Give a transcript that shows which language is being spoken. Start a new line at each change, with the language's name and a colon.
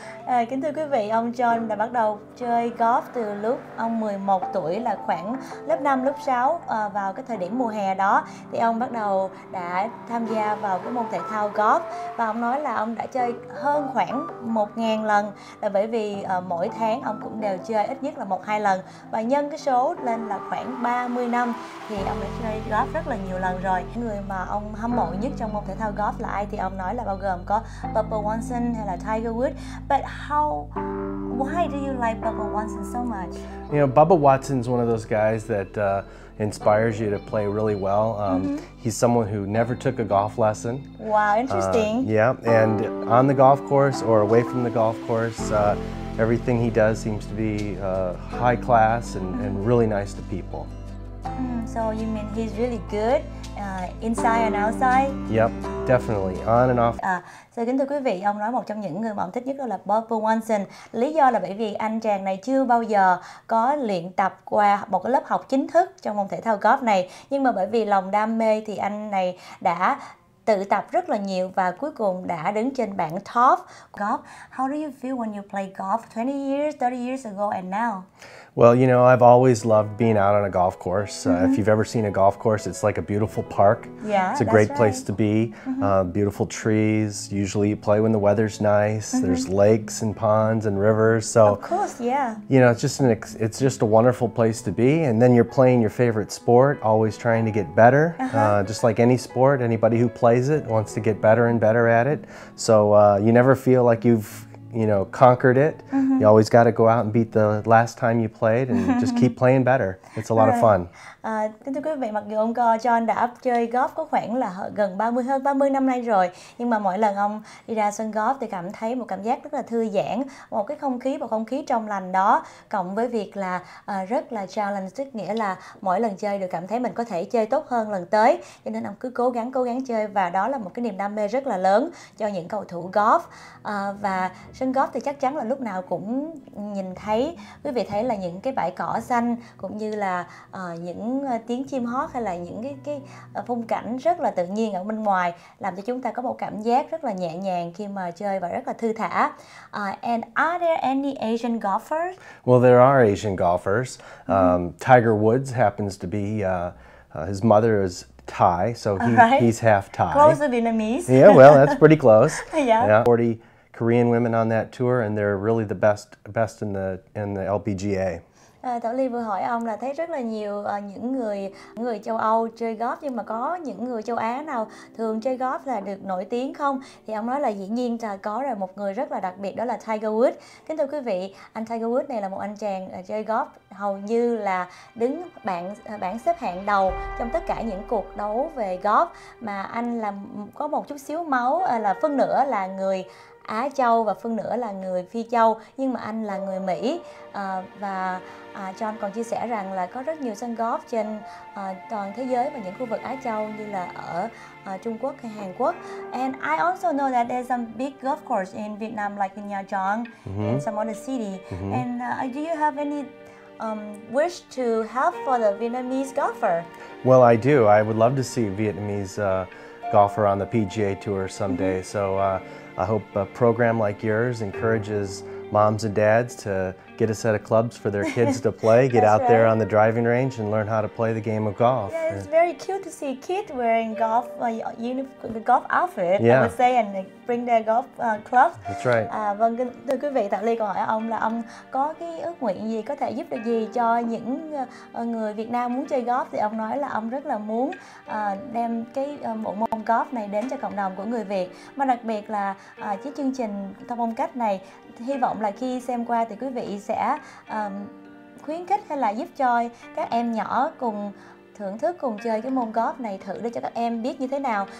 Vietnamese: À, kính thưa quý vị, ông John đã bắt đầu chơi golf từ lúc ông 11 tuổi, là khoảng lớp 5, lớp 6, vào cái thời điểm mùa hè đó thì ông bắt đầu đã tham gia vào cái môn thể thao golf và ông nói là ông đã chơi hơn khoảng 1.000 lần, là bởi vì mỗi tháng ông cũng đều chơi ít nhất là 1-2 lần và nhân cái số lên là khoảng 30 năm thì ông đã chơi golf rất là nhiều lần rồi. Người mà ông hâm mộ nhất trong môn thể thao golf là ai thì ông nói là bao gồm có Bubba Watson hay là Tiger Woods.
English: But why do you like Bubba Watson so much? You know, Bubba Watson's one of those guys that inspires you to play really well. He's someone who never took a golf lesson. Wow, interesting. And on the golf course or away from the golf course, everything he does seems to be high class and really nice to people. So you mean he's really good? Inside and outside. Yep, definitely. On and off.
Vietnamese: So kính thưa quý vị, ông nói một trong những người mà ông thích nhất là Bubba Watson. Lý do là bởi vì anh chàng này chưa bao giờ có luyện tập qua một cái lớp học chính thức trong môn thể thao golf này. Nhưng mà bởi vì lòng đam mê thì anh này đã tự tập rất là nhiều và cuối cùng đã đứng trên bảng top golf.
English: How do you feel when you play golf 20 years, 30 years ago and now? Well, you know, I've always loved being out on a golf course. If you've ever seen a golf course, it's like a beautiful park. Yeah, it's a great right. place to be. Beautiful trees. Usually you play when the weather's nice. There's lakes and ponds and rivers. So, of course, yeah. You know, it's just a wonderful place to be. And then you're playing your favorite sport, always trying to get better. Just like any sport, anybody who plays it wants to get better and better at it. So you never feel like you've conquered it. You always got to go out and beat the last time you played and just keep playing better. It's a lot of fun.
Vietnamese: Kính thưa quý vị, mặc dù ông John đã chơi golf có khoảng là gần 30, hơn 30 năm nay rồi, nhưng mà mỗi lần ông đi ra sân golf thì cảm thấy một cảm giác rất là thư giãn, một cái không khí trong lành đó, cộng với việc là rất là challenge, tức nghĩa là mỗi lần chơi được cảm thấy mình có thể chơi tốt hơn lần tới, cho nên ông cứ cố gắng chơi và đó là một cái niềm đam mê rất là lớn cho những cầu thủ golf. Và sân golf thì chắc chắn là lúc nào cũng nhìn thấy, quý vị thấy là những cái bãi cỏ xanh cũng như là những tiếng chim hót hay là những cái phong cảnh rất là tự nhiên ở bên ngoài, làm cho chúng ta có một cảm giác rất là nhẹ nhàng khi mà chơi và rất là thư thả.
English: And are there any Asian golfers? Well, there are Asian golfers. Tiger Woods happens to be, his mother is Thai, so he's half Thai. Close to Vietnamese. Yeah, well, that's pretty close. Yeah. 40 Korean women on that tour and they're really the best in the LPGA.
Vietnamese: Thảo Ly vừa hỏi ông là thấy rất là nhiều những người châu Âu chơi golf, nhưng mà có những người châu Á nào thường chơi golf là được nổi tiếng không? Thì ông nói là dĩ nhiên là có rồi, một người rất là đặc biệt đó là Tiger Woods. Kính thưa quý vị, anh Tiger Woods này là một anh chàng chơi golf hầu như là đứng bảng xếp hạng đầu trong tất cả những cuộc đấu về golf, mà anh là có một chút xíu máu là phân nửa là người Á Châu và phân nửa là người Phi Châu, nhưng mà anh là người Mỹ. Và John còn chia sẻ rằng là có rất nhiều sân golf trên toàn thế giới và những khu vực Á Châu như là ở Trung Quốc hay Hàn Quốc.
English: And I also know that there's some big golf course in Vietnam, like in Nha Trang, in some other city. And do you have any wish to help for the Vietnamese golfer? Well, I do. I would love to see Vietnamese golfer on the PGA Tour someday. So I hope a program like yours encourages moms and dads to get a set of clubs for their kids to play, get out there on the driving range and learn how to play the game of golf. Yeah, it's very cute to see a kid wearing golf, golf outfit, yeah. I would say, and bring their golf clubs. That's right.
Vietnamese: Vâng, thưa quý vị, Thảo Ly còn hỏi ông là ông có cái ước nguyện gì, có thể giúp được gì cho những người Việt Nam muốn chơi golf, thì ông nói là ông rất là muốn đem cái bộ môn golf này đến cho cộng đồng của người Việt. Mà đặc biệt là cái chương trình Thông Phong Cách này, hy vọng là khi xem qua thì quý vị sẽ khuyến khích hay là giúp cho các em nhỏ cùng thưởng thức, cùng chơi cái môn golf này, thử để cho các em biết như thế nào.